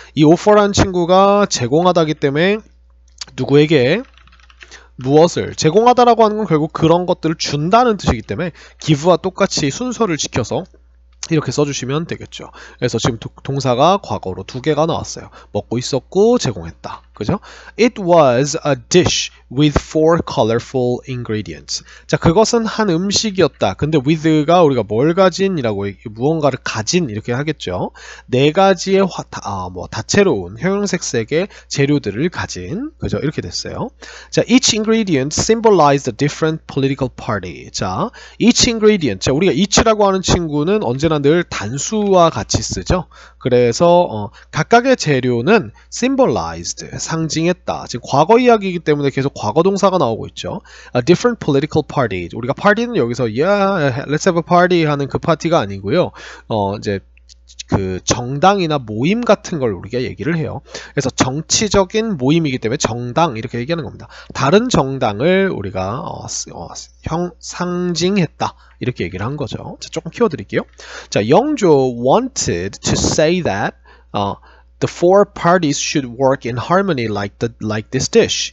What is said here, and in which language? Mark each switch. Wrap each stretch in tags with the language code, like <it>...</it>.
<ko>이 offer라는 친구가 제공하다기 때문에 누구에게 무엇을 제공하다라고 하는 건 결국 그런 것들을 준다는 뜻이기 때문에 give와 똑같이 순서를 지켜서 이렇게 써주시면 되겠죠. 그래서 지금 동사가 과거로 두 개가 나왔어요. 먹고 있었고 제공했다. 그죠?</ko> <en>It was a dish with four colorful ingredients.</en> <ko>자, 그것은 한 음식이었다. 근데 with가 우리가 뭘 가진? 이라고 무언가를 가진 이렇게 하겠죠. 네 가지의 다채로운 형형색색의 재료들을 가진. 그죠? 이렇게 됐어요.</ko> <en>자, each ingredient symbolized a different political party. 자, each ingredient.</en> <ko>자, 우리가 each라고 하는 친구는 언제나 늘 단수와 같이 쓰죠. 그래서 각각의 재료는 symbolized, 상징했다. 지금 과거 이야기이기 때문에 계속 과거 동사가 나오고 있죠.</ko> <en>A different political party.</en> <ko>우리가 party는 여기서</ko> <en>yeah, let's have a party</en> <ko>하는 그 파티가 아니고요. 이제 그 정당이나 모임 같은 걸 우리가 얘기를 해요. 그래서 정치적인 모임이기 때문에 정당 이렇게 얘기하는 겁니다. 다른 정당을 우리가 상징했다. 이렇게 얘기를 한 거죠. 자, 조금 키워 드릴게요.</ko> <en>자, 영조 wanted to say that the four parties should work in harmony like this dish.</en>